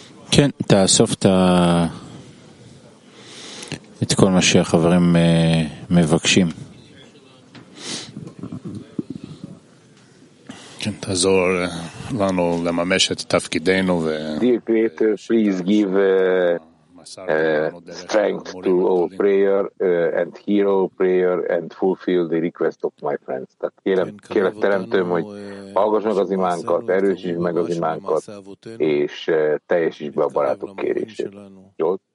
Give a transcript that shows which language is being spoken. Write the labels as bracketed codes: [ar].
[he] כן, תאסוף את כל מה שהחברים מבקשים. כן, תעזור לנו לממש את תפקידנו. [en] Dear Creator, please give strength to our prayer and hear our prayer and fulfill the request of my friends. [hu] Tehát kérem, kérlek Teremtőm, hogy hallgass meg az imánkat, erősítsd meg az imánkat, és teljesítsd be a barátok kérését. Jó?